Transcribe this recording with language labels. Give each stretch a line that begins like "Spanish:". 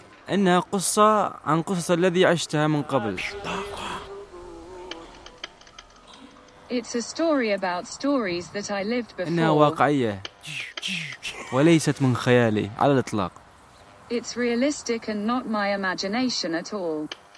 Arabic: إنها قصة عن قصص الذي عشتها من قبل.
English: It's a story about stories that I lived before.
Arabic: إنها واقعية وليست من خيالي على الإطلاق.
English: It's realistic and not my imagination at all.